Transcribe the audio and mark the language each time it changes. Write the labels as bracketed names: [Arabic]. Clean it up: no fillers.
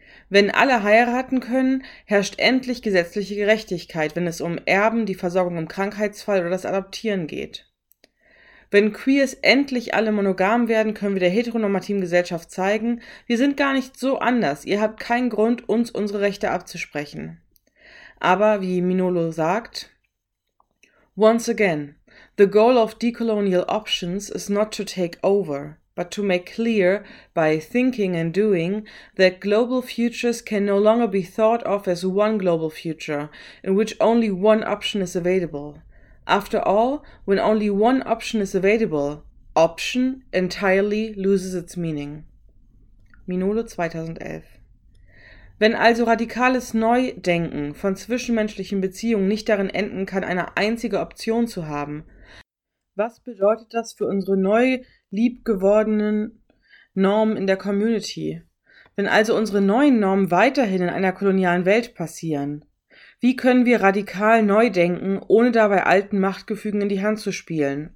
[German] Wenn alle heiraten können, herrscht endlich gesetzliche Gerechtigkeit, wenn es um Erben, die Versorgung im Krankheitsfall oder das Adoptieren geht. Wenn Queers endlich alle monogam werden, können wir der heteronormativen Gesellschaft zeigen, wir sind gar nicht so anders, ihr habt keinen Grund, uns unsere Rechte abzusprechen. Aber wie Minolo sagt, [English] once again, the goal of decolonial options is not to take over, but to make clear by thinking and doing that global futures can no longer be thought of as one global future, in which only one option is available. After all, when only one option is available, option entirely loses its meaning. Minolo 2011. [German] Wenn also radikales Neudenken von zwischenmenschlichen Beziehungen nicht darin enden kann, eine einzige Option zu haben, was bedeutet das für unsere neu liebgewordenen Normen in der Community? Wenn also unsere neuen Normen weiterhin in einer kolonialen Welt passieren, wie können wir radikal neu denken, ohne dabei alten Machtgefügen in die Hand zu spielen?